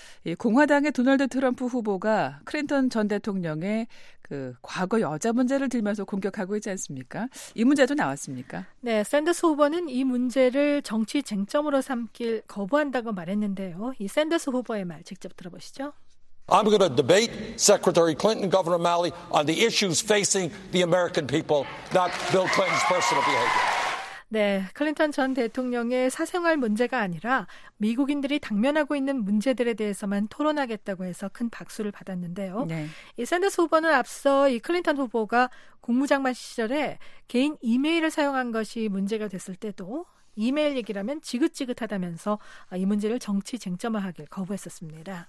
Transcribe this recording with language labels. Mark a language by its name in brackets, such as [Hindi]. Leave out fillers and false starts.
[Korean] 이 공화당의 도널드 트럼프 후보가 클린턴 전 대통령의 그 과거 여자 문제를 들면서 공격하고 있지 않습니까? 이 문제도 나왔습니까? 네, 샌더스 후보는 이 문제를 정치 쟁점으로 삼길 거부한다고 말했는데요. 이 샌더스 후보의 말 직접 들어보시죠. [English] I'm going to debate Secretary Clinton, Governor O'Malley on the issues facing the American people, not Bill Clinton's personal behavior. [Korean] 네, 클린턴 전 대통령의 사생활 문제가 아니라 미국인들이 당면하고 있는 문제들에 대해서만 토론하겠다고 해서 큰 박수를 받았는데요. 네. 이 샌더스 후보는 앞서 이 클린턴 후보가 국무장관 시절에 개인 이메일을 사용한 것이 문제가 됐을 때도 이메일 얘기라면 지긋지긋하다면서 이 문제를 정치 쟁점화하길 거부했었습니다.